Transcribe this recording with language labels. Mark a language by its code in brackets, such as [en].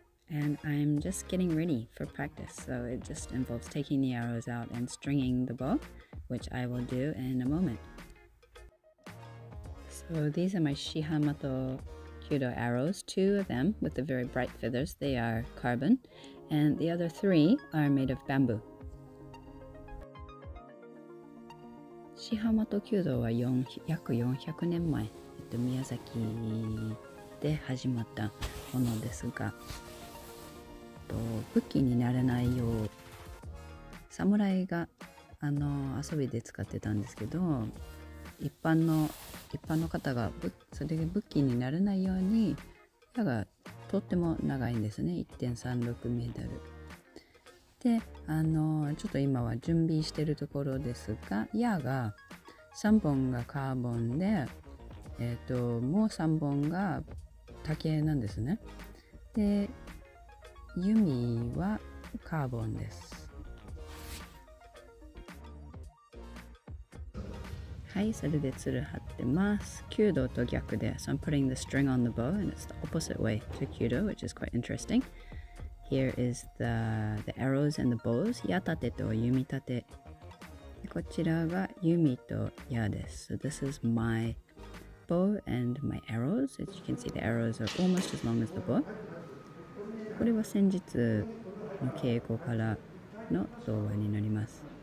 [en] And I'm just getting ready for practice, so it just involves taking the arrows out and stringing the bow, which I will do in a moment. So these are my shihan mato kyudo arrows, two of them with the very bright feathers, they are carbon, and the other three are made of bamboo. [ja] シハマト弓道は約400年前、宮崎で始まったものですが、武器にならないよう侍が遊びで使ってたんですけど、一般の方がそれで武器にならないように矢がとっても長いんですね。 1.36m で、ちょっと今は準備してるところですが、矢が3本がカーボンで、もう3本が竹なんですね。で、弓はカーボンです。はい、それでつる張ってます。弓道と逆で、 [en] So I'm putting the string on the bow, and it's the opposite way to kyudo, which is quite interesting. Here is the arrows and the bows. [ja] 矢立てと弓立て。こちらが弓と矢です。 [en] So this is my bow and my arrows. As you can see, the arrows are almost as long as the bow. [ja] これは先日の稽古からの動画になります。